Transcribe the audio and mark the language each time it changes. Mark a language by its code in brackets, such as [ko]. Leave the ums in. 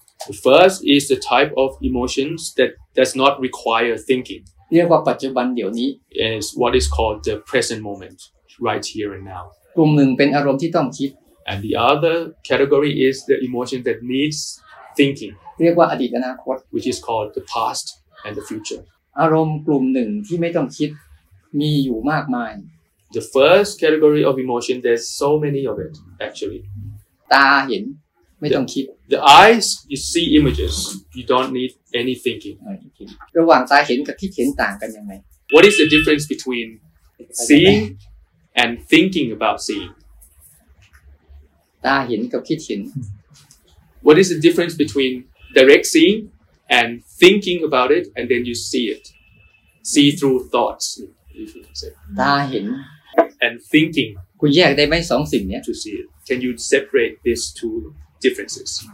[en] The first is the type of emotions that does not require thinking [th] เรียกว่าปัจจุบันเดี๋ยวนี้ [en] is what is called the present moment right here and now [th] กลุ่มหนึ่งเป็นอารมณ์ที่ต้องคิด [en] and the other category is the emotion that needs thinking [th] เรียกว่าอดีตอนาคต [en] which is called the past and the future [th] อารมณ์กลุ่มหนึ่งที่ไม่ต้องคิด มีอยู่มากมาย [en] The first category of emotion there's so many of it actually [th] ตาเห็นไม่ต้องคิด [en] the eyes you see images you don't need any thinking [th] ระหว่างตาเห็นกับคิดเห็นต่างกันยังไง [en] what is the difference between seeing and thinking about seeing [th] ตาเห็นกับคิดเห็ [en] น what is the difference between direct seeing and thinking about it and then you see it see through thoughts [th] ตาเห็น [en] and thinking [th] คุณแยกได้ไหมสองสิ่งนี้ [en] to see it can you separate these two differences